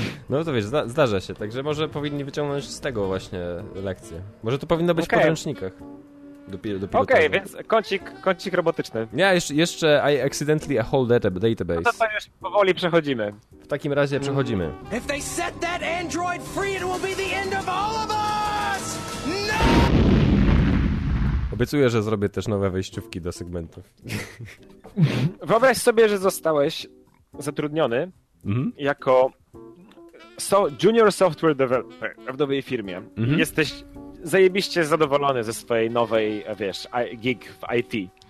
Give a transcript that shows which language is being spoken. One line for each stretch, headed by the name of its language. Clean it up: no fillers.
Polish: No to wiesz, zdarza się. Także może powinni wyciągnąć z tego właśnie lekcję. Może to powinno być w podręcznikach. Okej, więc kącik robotyczny. Ja jeszcze
English: I accidentally a whole database.
Polish: No to już powoli przechodzimy. W takim razie przechodzimy.
English: If they set that android free, it will be the end of all of us! No!
Polish: Obiecuję, że zrobię też nowe wejściówki do segmentów. Wyobraź sobie, że zostałeś zatrudniony jako junior software developer w nowej firmie. Mm-hmm. Jesteś zajebiście zadowolony ze swojej nowej, wiesz, gig w IT.